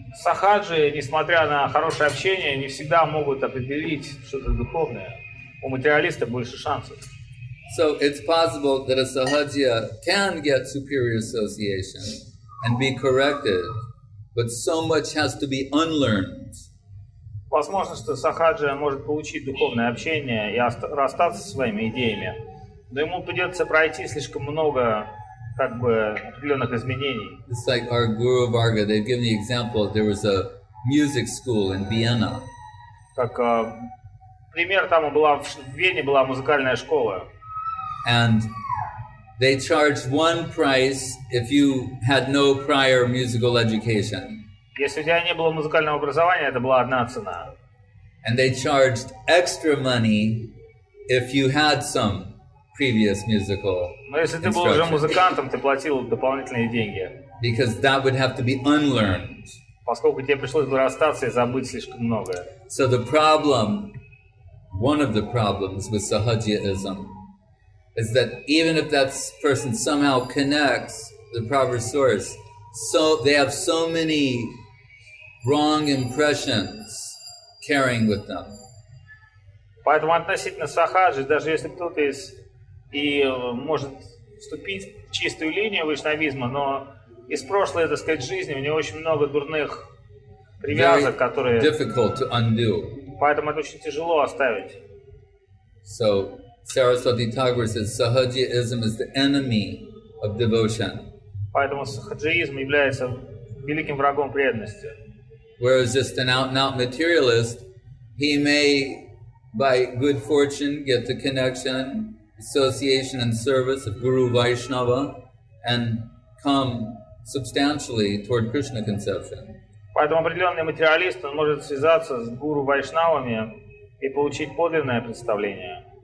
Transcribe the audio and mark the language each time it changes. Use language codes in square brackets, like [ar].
[ru] Сахаджи, несмотря на хорошее общение, не всегда могут определить что-то духовное. У материалиста больше шансов. [en] So it's possible that a sahajiya can get superior association and be corrected, but so much has to be unlearned. [ru] Возможно, что сахаджия может получить духовное общение и расстаться со своими идеями, но ему придется пройти слишком много, как бы, определенных изменений. [en] It's like our Guru Varga, they've given the example, there was a music school in Vienna. [ru] Как пример, там была в Вене была музыкальная школа. [en] And they charged one price if you had no prior musical education. [ru] Если у тебя не было музыкального образования, это была одна цена. [en] And they charged extra money if you had some previous musical instruction. [ru] Но если ты был уже музыкантом, ты платил дополнительные деньги. [en] Because that would have to be unlearned. [ru] Поскольку тебе пришлось бы расстаться и забыть слишком многое. [en] So the problem, one of the problems with sahajiyaism, is that even if that person somehow connects the proper source, so they have so many wrong impressions carrying with them. [ru] Поэтому относительно сахаджи, даже если кто-то из и может вступить в чистую линию вайшнавизма, но из прошлой, так сказать, жизни у него очень много дурных привязок, которые [en] very difficult to undo. [ru] Поэтому это очень тяжело оставить. [en] So Saraswati Thakur says sahajiyaism is the enemy of devotion. [ru] Поэтому сахаджиизм является великим врагом преданности. [en] Whereas just an out-and-out materialist, he may, by good fortune, get the connection, association, and service of Guru Vaishnava, and come substantially toward Krishna conception. [ru] Поэтому определенный материалист, он может связаться с Гуру Вайшнавами и получить подлинное представление.